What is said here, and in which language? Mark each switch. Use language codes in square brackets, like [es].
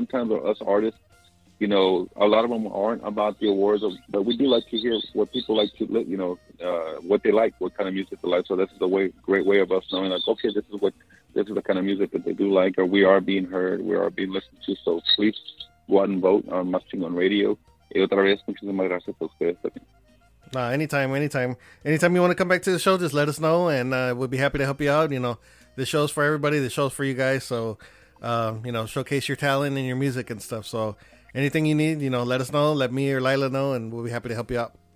[en] Sometimes us artists, you know, a lot of them aren't about the awards, but we do like to hear what people like to, you know, what they like, what kind of music they like. So this is a way, great way of us knowing, like, okay, this is the kind of music that they do like, or we are being heard, we are being listened to. So please go out and vote on Más Chingón Radio. [es] Y otra vez, muchísimas gracias a ustedes. [en] Nah, anytime you want to come back to the show, just let us know, and we'll be happy to help you out. You know, the show's for everybody, the show's for you guys. So, you know, showcase your talent and your music and stuff. So anything you need, you know, let us know, let me or Lila know, and we'll be happy to help you out.